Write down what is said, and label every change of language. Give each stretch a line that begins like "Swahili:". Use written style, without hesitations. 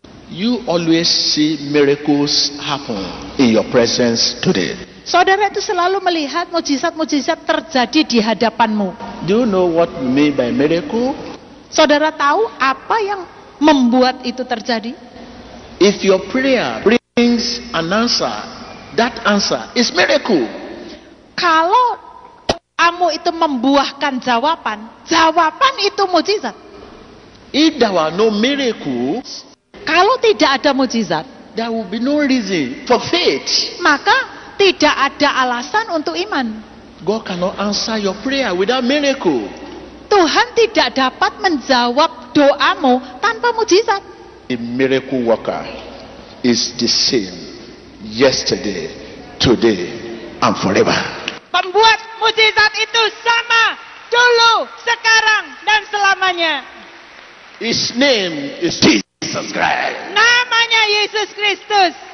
English: You always see miracles happen in your presence today.
Indonesian: Saudara itu selalu melihat mujizat-mujizat terjadi di hadapanmu.
English: Do you know what you mean by miracle?
Indonesian: Saudara tahu apa yang membuat itu terjadi?
English: If your prayer brings an answer, that answer is miracle.
Indonesian: Kalau kamu itu membuahkan jawaban, jawaban itu mujizat.
English: If there were no miracles,
Indonesian: kalau tidak ada mujizat,
English: there will be no reason for faith.
Indonesian: Maka tidak ada alasan untuk iman.
English: God cannot answer your prayer without miracle.
Indonesian: Tuhan tidak dapat menjawab doamu tanpa mujizat.
English: A miracle worker is the same yesterday, today, and forever.
Indonesian: Pembuat mujizat itu sama dulu, sekarang, dan selamanya.
English: His name is Jesus.
Indonesian: Namanya Yesus Kristus.